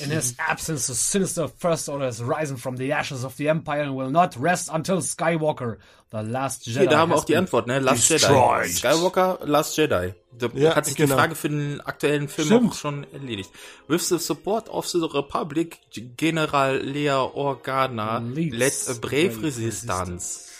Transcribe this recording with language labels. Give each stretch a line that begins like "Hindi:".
English: In his absence, the sinister First Order has risen from the ashes of the Empire and will not rest until Skywalker, the last Jedi.
German: Hier, da haben wir auch die Antwort, ne?
English: Last destroyed.
German: Jedi. Skywalker, Last Jedi. Da ja, hat sich genau. Die Frage für den aktuellen Film auch schon erledigt.
English: With the support of the Republic, General Leia Organa led a brave resistance.